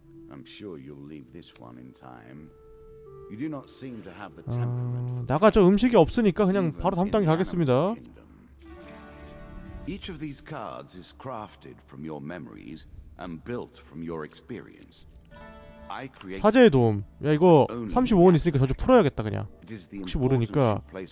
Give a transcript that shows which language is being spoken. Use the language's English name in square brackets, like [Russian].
[English] I'm sure you'll leave this one in time. You do not seem to have the temperament. [Korean] 나가, 저 음식이 없으니까 그냥 바로 다음 단계 가겠습니다. [English] Each of these cards is crafted from your memories and built from your experience. [Korean] 사제의 도움. 야, 이거 35원 있으니까 저주 풀어야겠다. 그냥 혹시 모르니까.